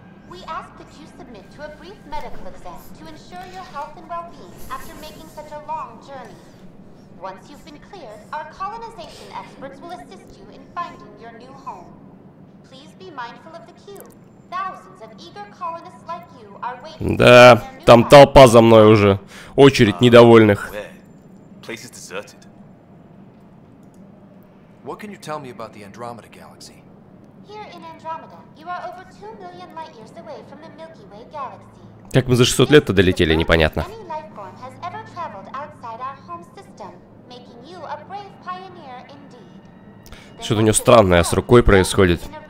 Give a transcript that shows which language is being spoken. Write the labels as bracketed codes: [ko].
[en] We ask that you submit to a brief medical exam to ensure your health and well-being after making such a long journey. Once you've been cleared, our colonization experts will assist you in finding your new home. Please be mindful of the queue. Thousands of eager colonists like you are waiting. [ru] Да, там толпа за мной уже. Очередь недовольных. [en] place is deserted. What can you tell me about the Andromeda Galaxy? Here in Andromeda, you are over 2 million light years away from the Milky Way Galaxy. [ru] Как мы за 600 лет-то долетели, непонятно. [en] Any life form has ever traveled outside our home system, making you a brave pioneer indeed. [ru] Что-то у него странное с рукой происходит.